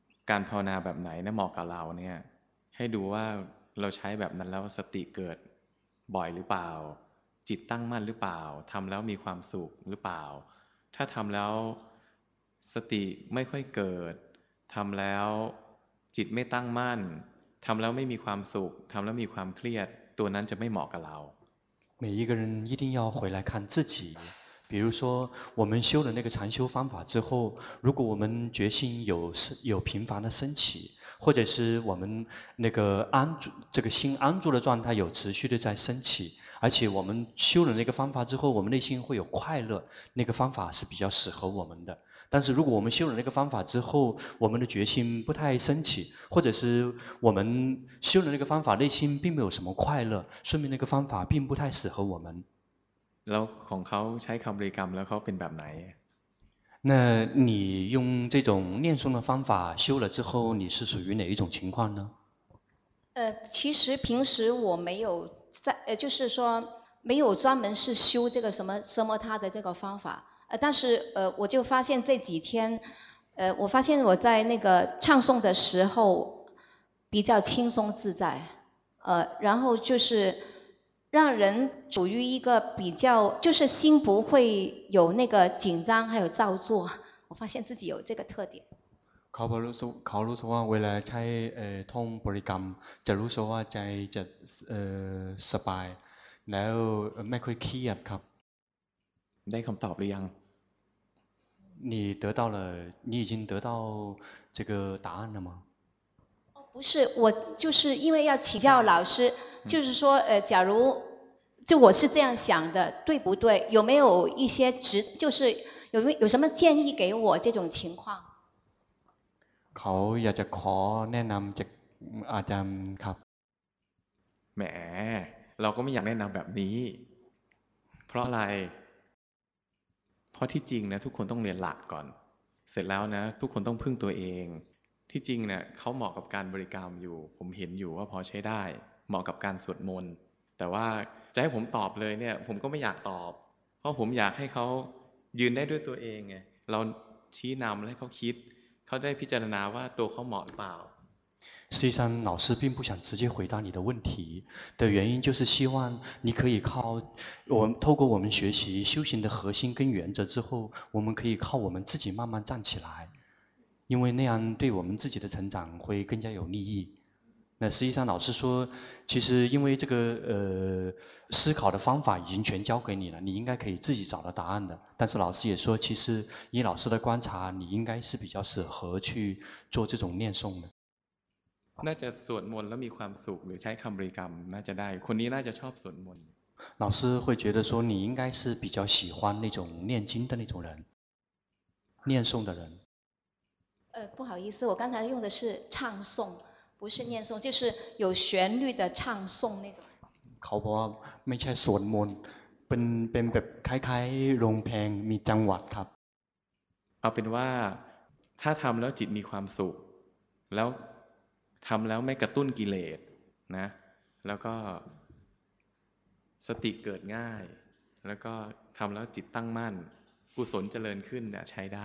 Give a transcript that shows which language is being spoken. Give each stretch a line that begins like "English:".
Thai: การภาวนาแบบไหนเหมาะกับเราเนี่ยให้ดูว่าเราใช้แบบนั้นแล้วสติเกิดบ่อยหรือเปล่าจิตตั้งมั่นหรือเปล่าทำแล้วมีความสุขหรือเปล่าถ้าทำแล้วสติไม่ค่อยเกิดทำแล้วจิตไม่ตั้งมั่นทำแล้วไม่มีความสุขทำแล้วมีความเครียดตัวนั้นจะไม่เหมาะกับเรา
Chinese: 每一个人一定要回来看自己比如说我们修了那个禅修方法之后如果我们决心有频繁的升起或者是我们那个安住这个心安住的状态有持续的在升起而且我们修了那个方法之后我们内心会有快乐那个方法是比较适合我们的但是如果我们修了那个方法之后，我们的决心不太升起，或者是我们修了那个方法内心并没有什么快乐，说明那个方法并不太适合我们。
Thai: แล้วของเขาใช้คำบริกรรมแล้วเขาเป็นแบบไหน？
Chinese: 那你用这种念诵的方法修了之后，你是属于哪一种情况呢？其实平时我没有在，就是说没有专门是修这个什么什么他的这个方法，但是我就发现这几天，我发现我在那个唱诵的时候比较轻松自在，然后就是让人处于一个比较，就是心不会有那个紧张还有躁作，我发现自己有这个特点。
Thai: เขารู้สึกว่าเวลาใช้ท่องบริกรรมจะรู้สึกว่าใจจะสบายแล้วไม่ค่อยเครียดครับ ได้คำตอบหรือยัง
Chinese: 你得到了你已经得到这个答案了吗不是我就是因为要请教老师就是说假如就我是这样想的对不对有没有一些就是有什么建议给我这种情况
Thai: เขาอยากจะขอแนะนำจากอาจารย์ครับ แหมเราก็ไม่อยากแนะนำแบบนี้เพราะอะไรเพราะที่จริงนะทุกคนต้องเรียนหลักก่อนเสร็จแล้วนะทุกคนต้องพึ่งตัวเองที่จริงเนี่ยเขาเหมาะกับการบริกรรมอยู่ผมเห็นอยู่ว่าพอใช้ได้เหมาะกับการสวดมนต์แต่ว่าจะให้ผมตอบเลยเนี่ยผมก็ไม่อยากตอบเพราะผมอยากให้เขายืนได้ด้วยตัวเองไงเราชี้นำให้เขาคิดเขาได้พิจารณาว่าตัวเขาเหมาะหรือเปล่า
Chinese: 实际上老师并不想直接回答你的问题的原因就是希望你可以靠我们透过我们学习修行的核心跟原则之后我们可以靠我们自己慢慢站起来因为那样对我们自己的成长会更加有利益那实际上老师说其实因为这个思考的方法已经全交给你了你应该可以自己找到答案的但是老师也说其实以老师的观察你应该是比较适合去做这种念诵的那
Thai: จะสวดมนต์แล้วมีความสุขหรือใช้คำบริกรรมน่าจะได้คนนี้น่าจะชอบสวดมนต์
Chinese: 老师会觉得说你应该是比较喜欢那种念经的那种人念诵的人不好意思我刚才用的是唱诵不是念诵就是有旋律的唱诵那种
Thai: เขาบอกว่าไม่ใช่สวดมนต์เป็นแบบคล้ายๆร้องเพลงมีจังหวะครับ เอาเป็นว่าถ้าทำแล้วจิตมีความสุขแล้วทำแล้วไม่กระตุ้นกิเลสนะแล้วก็สติเกิดง่ายแล้วก็ทำแล้วจิตตั้งมั่นกุศลเจริญขึ้นเนี่ยใช้ได